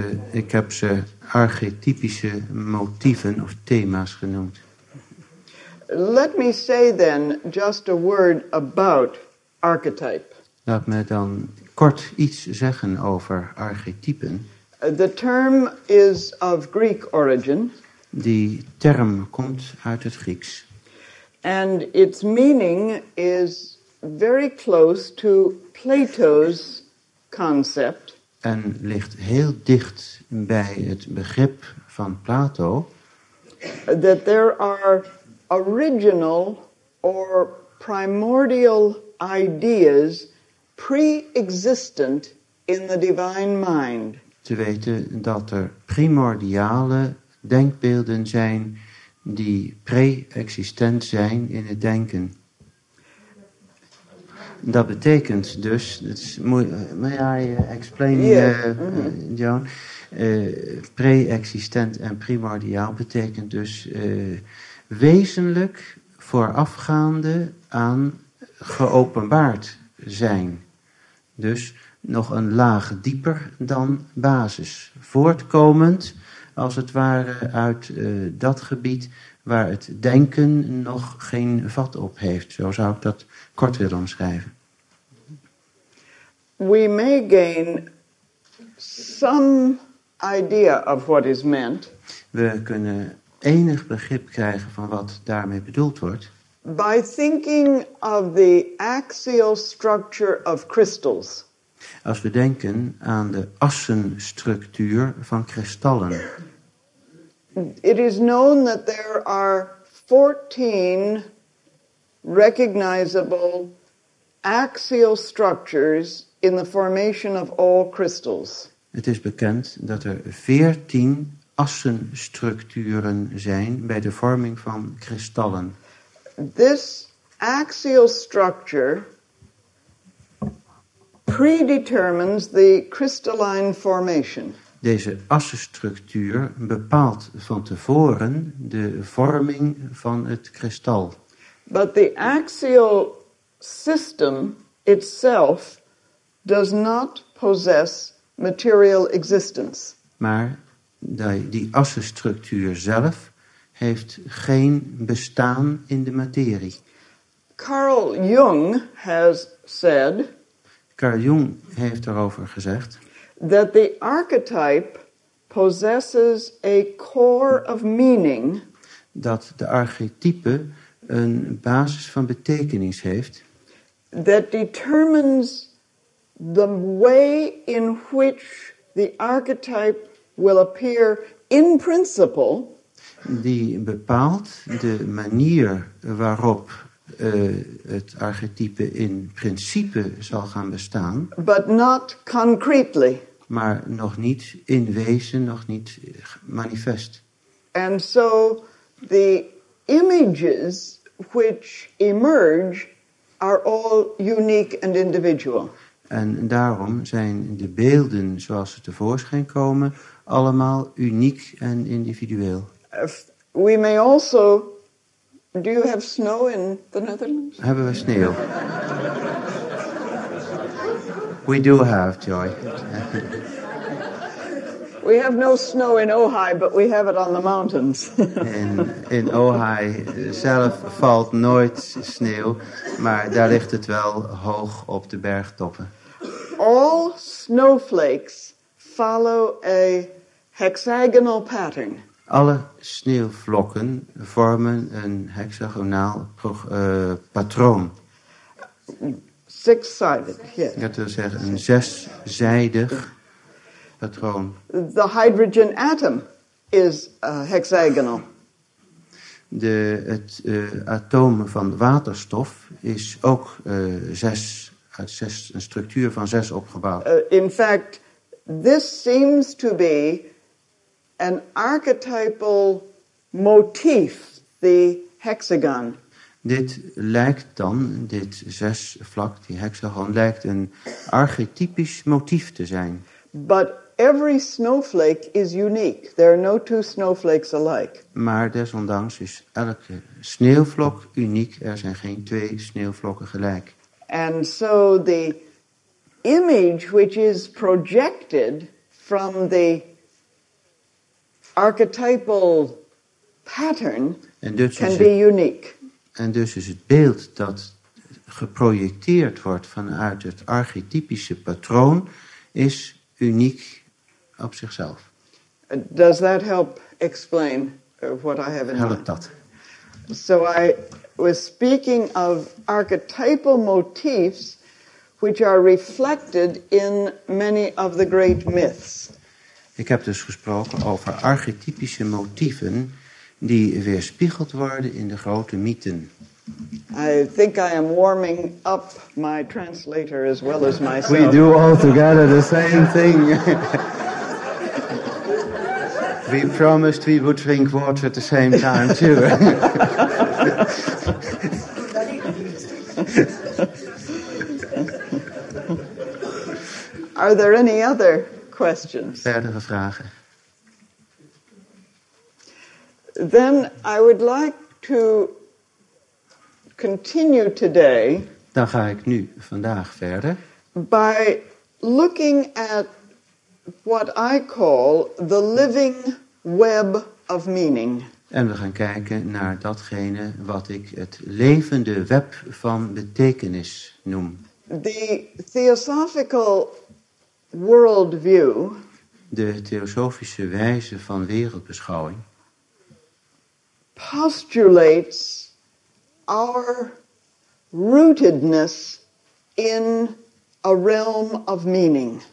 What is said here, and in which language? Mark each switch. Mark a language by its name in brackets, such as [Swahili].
[Dutch] Ik heb ze archetypische motieven of thema's genoemd. [English] Let me say then just a word about archetype. [Dutch] Laat me dan kort iets zeggen over archetypen. [English] The term is of Greek origin. [Dutch] Die term komt uit het Grieks. [English] And its meaning is very close to Plato's concept. [Dutch] En ligt heel dicht bij het begrip van Plato. [English] That there are original or primordial ideas pre-existent in the divine mind. [Dutch] Te weten dat er primordiale denkbeelden zijn die pre-existent zijn in het denken. Dat betekent dus, [English] may I explain, [Dutch] John? Pre-existent en primordiaal betekent dus wezenlijk voorafgaande aan geopenbaard zijn. Dus nog een laag dieper dan basis. Voortkomend, als het ware, uit dat gebied waar het denken nog geen vat op heeft. Zo zou ik dat kort willen omschrijven. [English] We may gain some idea of what is meant. [Dutch] We kunnen enig begrip krijgen van wat daarmee bedoeld wordt. [English] By thinking of the axial structure of crystals. [Dutch] Als we denken aan de assenstructuur van kristallen. [English] It is known that there are 14 recognizable axial structures in the formation of all crystals. [Dutch] Het is bekend dat er 14 assenstructuren zijn bij de vorming van kristallen. [English] This axial structure predetermines the crystalline formation. [Dutch] Deze assenstructuur bepaalt van tevoren de vorming van het kristal. [English] But the axial system itself does not possess material existence. [Dutch] Maar die assenstructuur zelf heeft geen bestaan in de materie. [English] Carl Jung has said. [Dutch] Carl Jung heeft erover gezegd. [English] That the archetype possesses a core of meaning. [Dutch] Dat de archetype een basis van betekenis heeft. [English] That determines the way in which the archetype will appear in principle. [Dutch] Die bepaalt de manier waarop het archetype in principe zal gaan bestaan. [English] But not concretely. [Dutch] Maar nog niet in wezen, nog niet manifest. [English] And so the images which emerge are all unique and individual. [Dutch] En daarom zijn de beelden zoals ze tevoorschijn komen allemaal uniek en individueel. [English] We may also. Do you have snow in the Netherlands? [Dutch] Hebben we sneeuw? [English] We do have, Joy. We have no snow in Ojai, but we have it on the mountains. [Dutch] In Ojai zelf valt nooit sneeuw, maar daar ligt het wel hoog op de bergtoppen. [English] All snowflakes follow a hexagonal pattern. [Dutch] Alle sneeuwvlokken vormen een hexagonaal patroon. [English] Six-sided, yes. [Dutch] Dat wil zeggen een zeszijdig patroon. [English] The hydrogen atom is hexagonal. [Dutch] Het atoom van waterstof is ook zes een structuur van zes opgebouwd. [English] In fact, this seems to be an archetypal motif, the hexagon. [Dutch] Dit lijkt dan, dit zes vlak, die hexagon, lijkt een archetypisch motief te zijn. [English] But every snowflake is unique. There are no two snowflakes alike. [Dutch] Maar desondanks is elke sneeuwvlok uniek. Er zijn geen twee sneeuwvlokken gelijk. [English] And so the image which is projected from the archetypal pattern can be unique. [Dutch] En dus is het beeld dat geprojecteerd wordt vanuit het archetypische patroon is uniek op zichzelf. [English] Does that help explain what I have in mind? [Dutch] Helpt dat? [English] So I was speaking of archetypal motifs which are reflected in many of the great myths. [Dutch] Ik heb dus gesproken over archetypische motieven die weerspiegeld worden in de grote mythen. [English] I think I am warming up my translator as well as myself. We do all together the same thing. We promised we would drink water at the same time too. Are there any other questions? [Dutch] Verdere vragen? [English] Then I would like to continue today. [Dutch] Dan ga ik nu vandaag verder. [English] By looking at what I call the living web of meaning. [Dutch] En we gaan kijken naar datgene wat ik het levende web van betekenis noem. [English] The theosophical worldview. [Dutch] De theosofische wijze van wereldbeschouwing. [English] Postulates our rootedness in a realm of meaning.